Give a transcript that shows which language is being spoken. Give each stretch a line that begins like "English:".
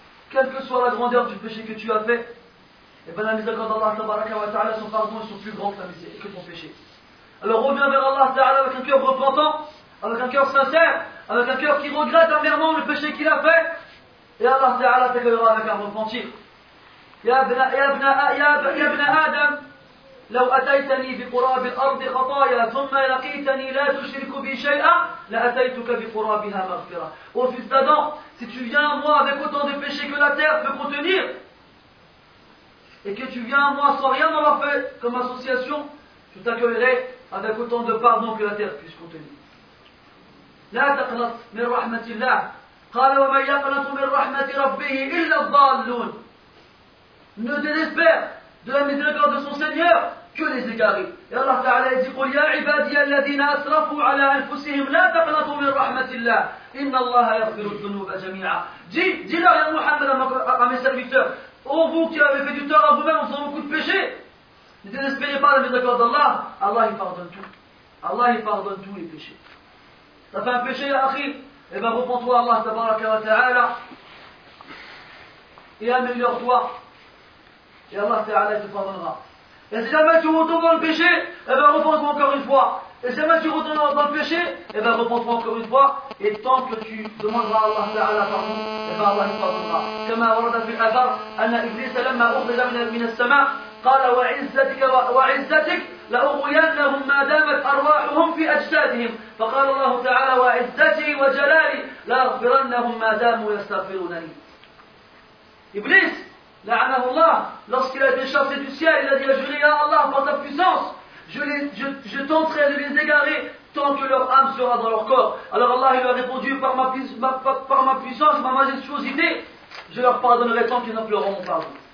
French: Quelle que soit la grandeur du péché que tu as fait, et bien la miséricorde d'Allah tabaraka wa ta'ala, son pardon est plus grand que ton péché. Alors reviens vers Allah ta'ala avec un cœur repentant, avec un cœur sincère, avec un cœur qui regrette amèrement le péché qu'il a fait, et Allah ta'ala t'accueillera avec un repentir.
Arabic: Ya Abna Adam, لو أتيتني بقراب الأرض خطايا ثم لقيتني لا تشرك بي شيئا لأتيتك بقرابها مغفرة.
French: Au fils d'Adam, si tu viens à moi avec autant de péchés que la terre peut contenir, et que tu viens à moi sans rien m'avoir fait comme association, je t'accueillerai avec autant de pardon que la terre puisse contenir.
Arabic: لا تقنط من رحمة الله. قال ومن يقنط من رحمة ربه إلا الضالون.
French: Ne désespère de la miséricorde de son Seigneur que les égarés. Et Allah Ta'ala dit,
Arabic: قُلْ يَا عِبَادِيَ الَّذِينَ أَسْرَفُوا عَلَىٰ أَنفُسِهِمْ لَا تَقْنَطُوا مِنْ رَحْمَةِ اللَّهِ إِنَّ اللَّهَ يَغْفِرُ الذُّنُوبَ جَمِيعًا.
French: Dis-leur, Ya Muhammad, à mes serviteurs, ô vous qui avez fait du tort à vous-même en faisant beaucoup de péchés, ne désespérez pas la miséricorde d'Allah. Allah, il pardonne tout. Allah, il pardonne tous les péchés. T'as fait un péché, ya akhi, eh bien, repends-toi à Allah tabaraka wa ta'ala et améliore-toi. Et Allah Ta'ala te pardonnera. Et si jamais tu retournes dans le péché, eh bien repends-toi encore une fois. Et si jamais tu retournes dans le péché, eh bien repends-toi encore une fois. Et tant que tu demanderas à Allah Ta'ala pardon, eh bien Allah te pardonnera. Comme on a dit dans l'Azhar,
Arabic: Anna Iblis, لما أخرج من السماء, قال وعزتك لأغوينهم ما دامت أرواحهم في أجسادهم. فقال الله تعالى وعزتي وجلالي لا أغفرنهم ما داموا يستغفرون لي.
French: Iblis, La'anahullah, lorsqu'il a été chassé du ciel, il a dit, juré à Allah par ta puissance, je tenterai de les égarer tant que leur âme sera dans leur corps. Alors Allah lui a répondu, par ma puissance, ma majestuosité, je leur pardonnerai tant qu'ils n'appelleront mon pardon.